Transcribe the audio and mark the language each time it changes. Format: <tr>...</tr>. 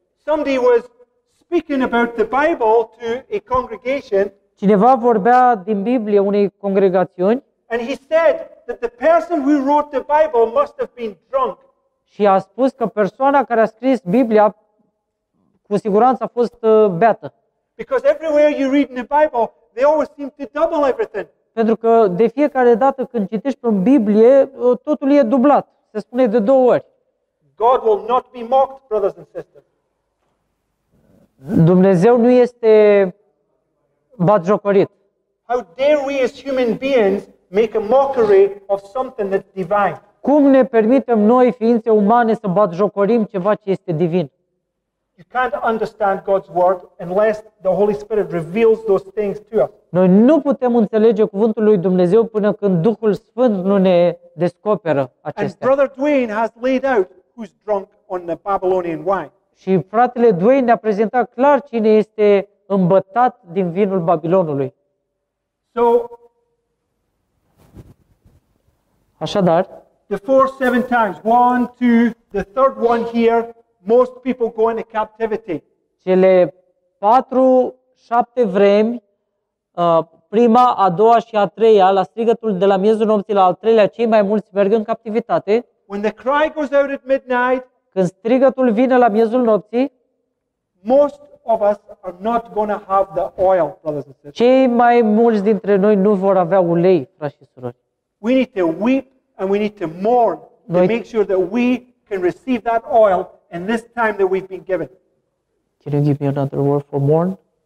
<en>Somebody was speaking about the Bible to a congregation.</en> <ro>Cineva vorbea din Biblie unei congregațiuni.</ro> <en>And he said that the person who wrote the Bible must have been drunk.</en> <ro>Și a spus că persoana care a scris Biblia cu siguranță a fost beată.</ro> <en>Because everywhere you read in the Bible, they always seem to double everything.</en> <ro>Pentru că de fiecare dată când citești pe Biblie, totul e dublat. Se spune de două ori.</ro> <en>God will not be mocked, brothers and sisters.</en> <ro>Dumnezeu nu este batjocorit.</ro> <en>How dare we as human beings make a mockery of something that's divine?</en> <ro>Cum ne permitem noi ființe umane să batjocorim ceva ce este divin?</ro> <en>You can't understand God's word unless the Holy Spirit reveals those things to us.</en> <ro>Noi nu putem înțelege cuvântul lui Dumnezeu până când Duhul Sfânt nu ne descoperă acestea.</ro> <en>And Brother Dwayne has laid out who's drunk on the Babylonian wine.</en> <ro>Și fratele Dwayne ne-a prezentat clar cine este îmbătat din vinul Babilonului.</ro> <en>So,</en> <ro>așadar,</ro> <en>the four, seven times, one, two, the third one here, most people go into captivity.</en> <ro>Cele patru, șapte vremi, prima, a doua și a treia, la strigătul de la miezul nopții la al treilea, cei mai mulți merg în captivitate.</ro> <en>When the cry goes out at midnight,</en> <ro>când strigătul vine la miezul nopții,</ro> <en>most of us are not going to have the oil, brothers and sisters.</en> <ro>Cei mai mulți dintre noi nu vor avea ulei, frați și surori.</ro> <en>We need to weep and we need to mourn to make sure that we can receive that oil in this time that we've been given. Can you give me another word for mourn?</en>